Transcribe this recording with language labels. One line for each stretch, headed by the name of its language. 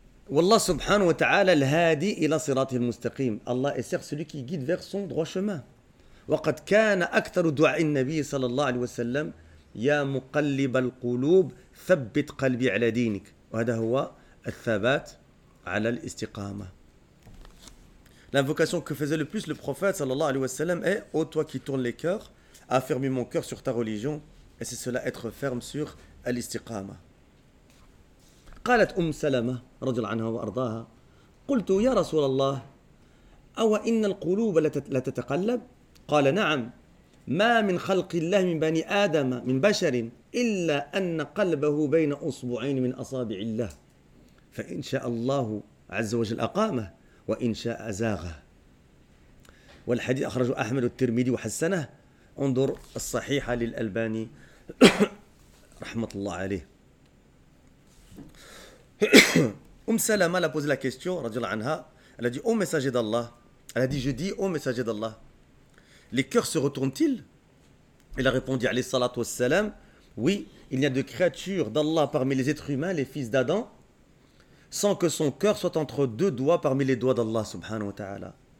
Arabic: والله سبحانه وتعالى الهادي إلى صراطه المستقيم. الله يسير
French: celui qui guide vers son droit chemin.
Arabic: وقد كان أكثر دعاء النبي صلى الله عليه وسلم يا مقلب القلوب ثبت قلبي على دينك. وهذا هو الثبات على الاستقامة.
French: L'invocation que faisait le plus le prophète صلى الله عليه وسلم est ô toi qui tournes les cœurs, affermis mon cœur sur ta religion. Et c'est cela, être ferme sur الاستقامة.
Arabic: قالت أم سلمة رضي الله عنها وأرضاها قلت يا رسول الله أو إن القلوب لا تتقلب؟ قال نعم، ما من خلق الله من بني آدم من بشر إلا أن قلبه بين أصبعين من أصابع الله، فإن شاء الله عز وجل أقامه وإن شاء أزاغه. والحديث أخرجه أحمد الترمذي وحسنه. انظر الصحيحة للألباني رحمة الله عليه.
French: Salama a posé la question, elle a dit, ô messager d'Allah, elle a dit, je dis, ô messager d'Allah, les cœurs se retournent-ils? Elle a répondu, alayhi salatu wassalam, oui, il n'y a de créature d'Allah parmi les êtres humains, les fils d'Adam, sans que son cœur soit entre deux doigts parmi les doigts d'Allah subhanahu wa ta'ala.